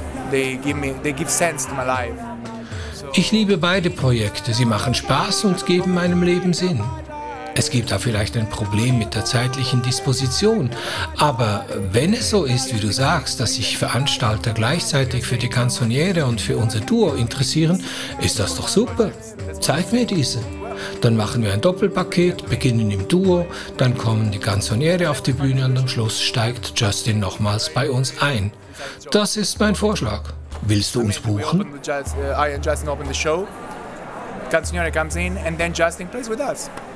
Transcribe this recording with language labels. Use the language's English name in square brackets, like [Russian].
[English] They give sense to my life. [German] Ich liebe beide Projekte. Sie machen Spaß und geben meinem Leben Sinn. Es gibt da vielleicht ein Problem mit der zeitlichen Disposition. Aber wenn es so ist, wie du sagst, dass sich Veranstalter gleichzeitig für die Canzoniere und für unser Duo interessieren, ist das doch super. Zeig mir diese. Dann machen wir ein Doppelpaket, beginnen im Duo, dann kommen die Canzoniere auf die Bühne und am Schluss steigt Justin nochmals bei uns ein. Das ist mein Vorschlag. Willst du uns buchen? [English] I and Justin open the show. Canzoniere comes in and then Justin plays with us.